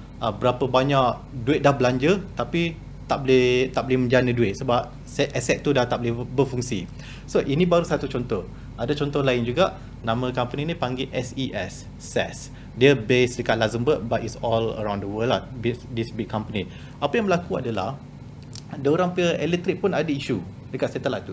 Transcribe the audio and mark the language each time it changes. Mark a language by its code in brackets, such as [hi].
[ms] Berapa banyak duit dah belanja tapi tak boleh menjana duit sebab aset tu dah tak boleh berfungsi. [en] So [ms] ini baru satu contoh. Ada contoh lain juga, nama company ni panggil SES, SES. Dia [en] based [ms] dekat [en] Luxembourg but it's all around the world lah, this big company. [ms] Apa yang berlaku adalah diorang punya elektrik pun ada isu dekat satellite tu.